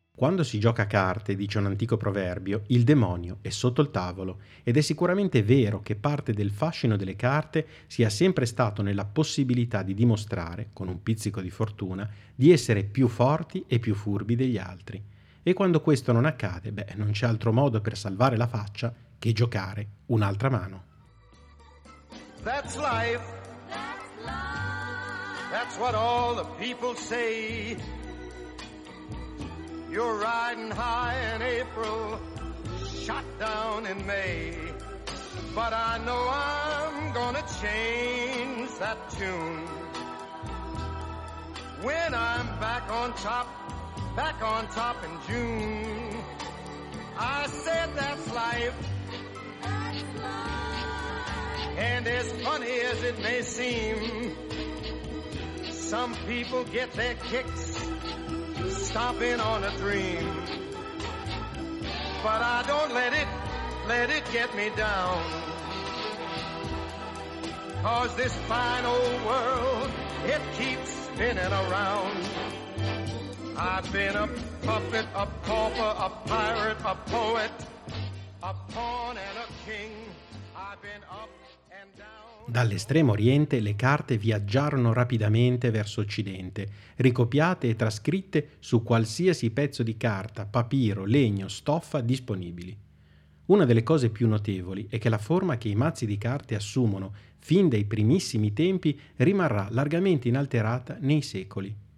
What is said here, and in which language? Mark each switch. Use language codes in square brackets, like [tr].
[it] Quando si gioca a carte, dice un antico proverbio, il demonio è sotto il tavolo, ed è sicuramente vero che parte del fascino delle carte sia sempre stato nella possibilità di dimostrare, con un pizzico di fortuna, di essere più forti e più furbi degli altri. E quando questo non accade, beh, non c'è altro modo per salvare la faccia che giocare un'altra mano. [en] That's life. That's what all the people say. You're riding high in April, shot down in May. But I know I'm gonna change that tune. When I'm back on top in June. I said that's life. And as funny as it may seem, Some people get their kicks stopping on a dream. But I don't let it get me down. 'Cause this fine old world, it keeps spinning around. I've been a puppet, a pauper, a pirate, a poet, a pawn and a king. I've been up and down. [it] Dall'estremo oriente le carte viaggiarono rapidamente verso occidente, ricopiate e trascritte su qualsiasi pezzo di carta, papiro, legno, stoffa disponibili. Una delle cose più notevoli è che la forma che i mazzi di carte assumono fin dai primissimi tempi rimarrà largamente inalterata nei secoli.